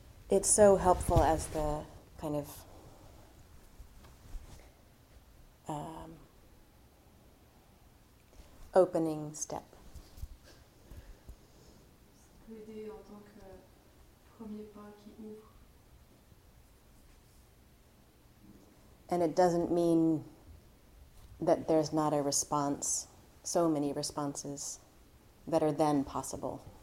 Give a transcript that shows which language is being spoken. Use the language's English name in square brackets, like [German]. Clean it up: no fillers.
[English] It's so helpful as the kind of opening step. [French] Ça peut aider en tant que premier pas qui ouvre. [English] And it doesn't mean that there's not a response, so many responses that are then possible.